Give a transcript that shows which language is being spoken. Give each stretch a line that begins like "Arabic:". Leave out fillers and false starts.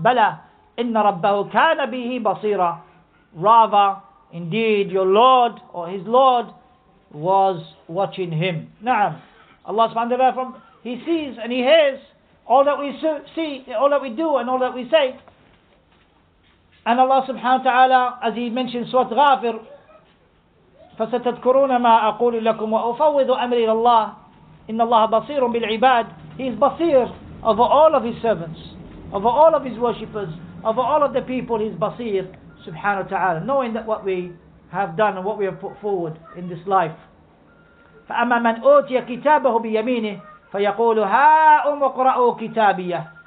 Arabic: بَلَى إِنَّ رَبَّهُ كَانَ بِهِ بَصِيرًا.
English: Rather, indeed, your Lord or his Lord was watching him. Na'am. Allah subhanahu wa ta'ala, from he sees and he hears all that we see, all that we do and all that we say. And Allah subhanahu wa ta'ala, as he mentioned Surah Ghafir,
Arabic: فَسَتَذْكُرُونَ مَا أَقُولُ لَكُمْ وَأُفَوِّذُ أَمْرِ إِلَى اللَّهِ إِنَّ اللَّهَ بَصِيرٌ بِالْعِبَادِ.
English: He is basir over all of his servants, over all of his worshippers, over all of the people. He's basir subhanahu wa ta'ala, knowing that what we have done and what we have put forward in this life.
Arabic: فَأَمَّا مَنْ أُوْتِيَ كِتَابَهُ بِيَمِينِهِ فَيَقُولُ هَا أُمْ وَقْرَأُوا كِتَابِيَهِ.